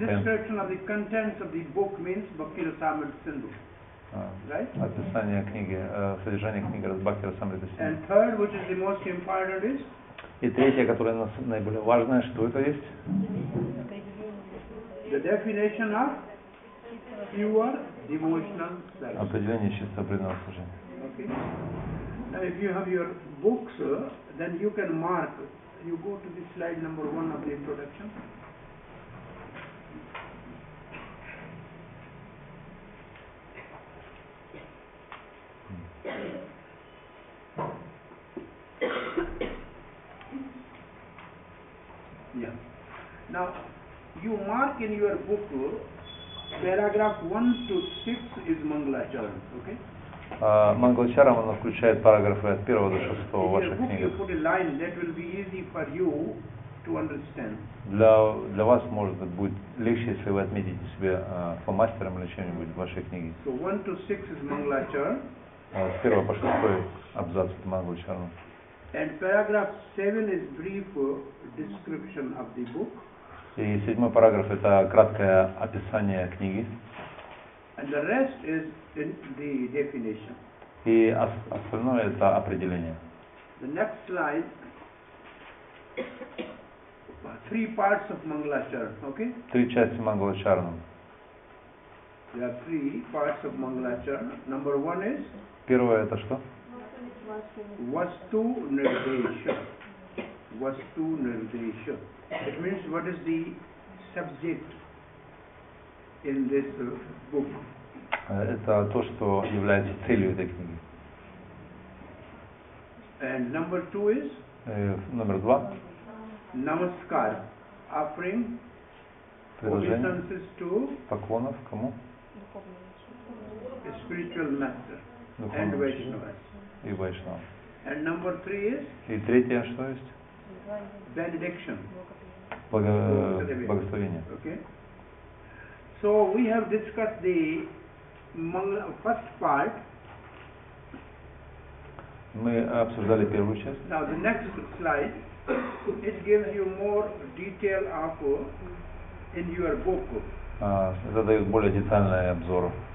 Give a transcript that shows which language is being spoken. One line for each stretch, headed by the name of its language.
English: Description of the contents of the book means Bhakti Rasamrita Sindhu. Right?
Russian: Описание книги, содержание книги Бхакти Расамрита Синдху.
English: And third, which is the most important is?
Russian: И третье, которое нас наиболее важное, что это есть?
English: The definition of pure devotional service.
Russian: Определение чистого преданного служения.
English: Okay. Now, if you have your books, then you can mark. You go to the slide number one of the introduction. Yeah. Now, you mark in your book. Paragraph 1-6 is Mangalacharan, okay?
Russian: Mangalacharan, оно включает параграфы от 1 до 6 в вашей книге.
English: If you put a line, that will be easy for you to understand.
Russian: Для вас, может быть, будет легче, если вы отметите себе фломастером или чем-нибудь в вашей книге.
English: So 1-6 is Mangalacharan.
Russian: С 1 по 6 абзац от Mangalacharan.
English: And paragraph 7 is brief description of the book.
Russian: И седьмой параграф — это краткое описание книги.
English: And the rest is in the definition.
Russian: И остальное — это определение.
English: The next slide. Three parts of Mangalacharan, okay?
Russian: Три части Мангалачарана.
English: There are three parts of Mangalacharan. Number one is?
Russian: Первое — это что?
English: Vastu Nirdesha. Vastu Nirdesha. It means what is the subject in this book?
Russian: Это то, что является целью этой книги.
English: And number two is?
Russian: Номер два.
English: Namaskar. Offering obeisances to?
Russian: Поклонов кому?
English: A spiritual master. And Vaishnavas.
Russian: И Vaishnavas.
English: And number three is?
Russian: И третье что есть?
English: Benediction.
Russian: Благословение.
English: Okay. So we have discussed the first part.
Russian: Мы обсуждали первую часть.
English: Now the next slide, it gives you more detail of in your book.
Russian: Это дает более детальный обзор.